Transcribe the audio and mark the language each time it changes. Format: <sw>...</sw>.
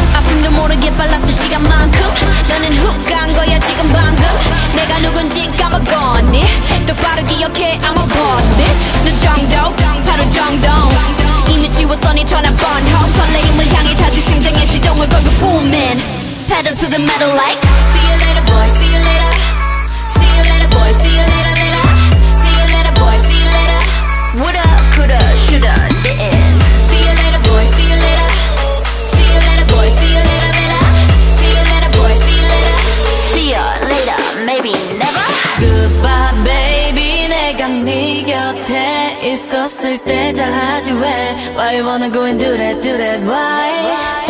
<ko>아픔도 모르게 빨랐지 시간만큼. 너는 훅 간 거야 지금 방금. 내가 누군지 까먹었니? 똑바로 기억해</ko> <en>I'm a boss bitch.</en> <ko>너 정도 바로 정동. 이미 지웠어 네 전화번호. 설레임을 향해 다시 심장의 시동을 걸고 booming.</ko> <en>Pedal to the metal like. See you later boy, see you later. Boy, see you later, later. See you later, boy, see you later. What up, coulda, shoulda, didn't. See you later, boy, see you later. See you later, boy, see you later, later. See you later, boy, see you later. See you later, maybe never. Goodbye, baby.</en> <ko>내가 네 곁에 있었을 때 잘하지 왜.</ko> <en>Why you wanna go and do that, why.</en>